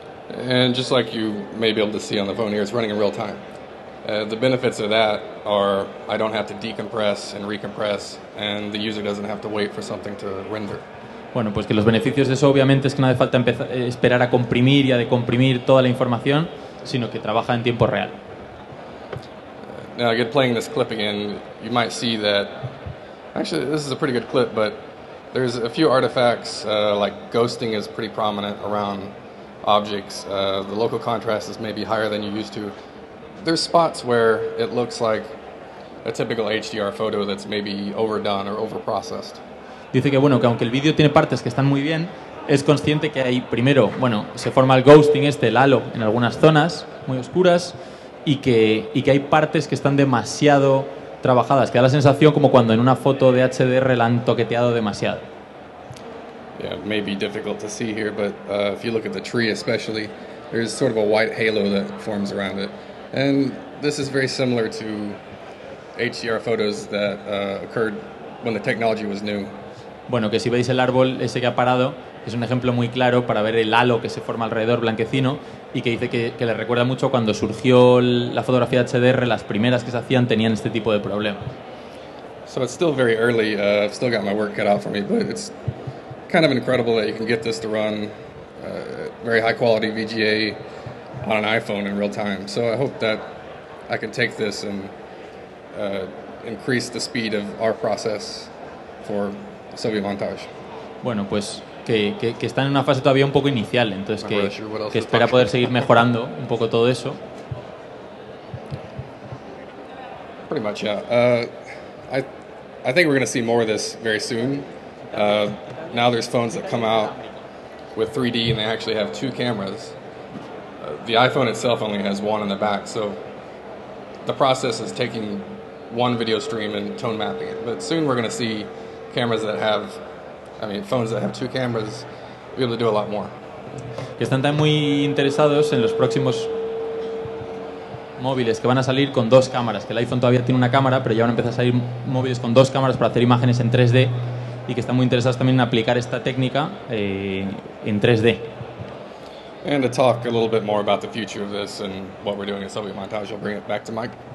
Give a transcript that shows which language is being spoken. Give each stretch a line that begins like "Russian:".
English: And just like you may be able to see on the phone here, it's running in real time. The benefits of that are I don't have to decompress and recompress, and the user doesn't have to wait for something to render.
Spanish: Bueno, pues que los beneficios de eso obviamente es que no hace falta esperar a comprimir y a decomprimir toda la información, sino que trabaja en tiempo real.
English: Now, again, playing this clip again, you might see that actually this is a pretty good clip, but there's a few artifacts, like ghosting is pretty prominent around objects. The local contrast is maybe higher than you used to. There's spots where it looks like a typical HDR photo that's maybe overdone or overprocessed.
Spanish: Dice que, bueno, que aunque el vídeo tiene partes que están muy bien, es consciente que hay, primero, bueno, se forma el ghosting este, el halo, en algunas zonas muy oscuras, y que hay partes que están demasiado trabajadas, que da la sensación como cuando en una foto de HDR la han toqueteado demasiado.
English: Yeah, it may be difficult to see here, but if you look at the tree especially, there's sort of a white halo that forms around it. And this is very similar to HDR photos that occurred when the technology was new.
Spanish: Bueno, que si veis el árbol ese que ha parado, es un ejemplo muy claro para ver el halo que se forma alrededor blanquecino y que dice que le recuerda mucho cuando surgió la fotografía HDR, las primeras que se hacían tenían este tipo de problemas.
English: So it's still very early, I've still got my work cut out for me, but it's kind of incredible that you can get this to run very high quality VGA on an iPhone in real time. So I hope that I can take this and increase the speed of our process for Soviet Montage.
Spanish: Bueno, pues que está en una fase todavía un poco inicial, entonces que espera poder seguir mejorando un poco todo eso.
English: Pretty much, yeah. I think we're going to see more of this very soon. Now there's phones that come out with 3D and they actually have two cameras. The iPhone itself only has one in the back, so the process is taking one video stream and tone mapping it. But soon we're going to see cameras that have, I mean, phones that have two cameras, we'll be able to do a lot more.
Spanish: Que están tan muy interesados en los próximos móviles que van a salir con dos cámaras. Que el iPhone todavía tiene una cámara, pero ya van a empezar a salir móviles con dos cámaras para hacer imágenes en 3D. Y que están muy interesados también en aplicar esta técnica en 3D.
English: And to talk a little bit more about the future of this and what we're doing at Soviet Montage, I'll bring it back to Mike.